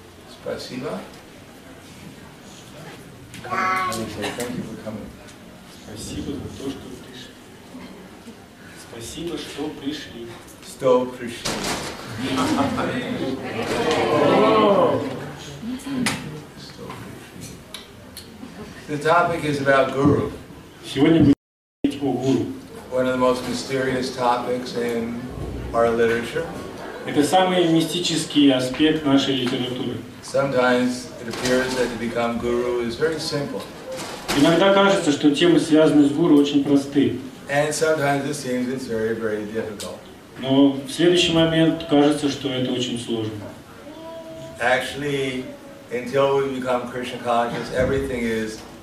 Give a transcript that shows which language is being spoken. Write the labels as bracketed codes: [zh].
[ru] Spasiba [en] Thank you for coming. [ru] Спасибо за то, что пришли. Спасибо, что пришли. Что пришли. [en] The topic is about guru. [ru] Сегодня будем говорить о гуру. [en] One of the most mysterious topics in our literature. [ru] Это самый мистический аспект нашей литературы. [en] Sometimes it appears that to become guru is very simple. [ru] Иногда кажется, что темы, связанные с гуру, очень просты. [en] And sometimes it seems it's very, very difficult. [ru] Но в следующий момент кажется, что это очень сложно. [en] Actually, until we become Krishna conscious, everything is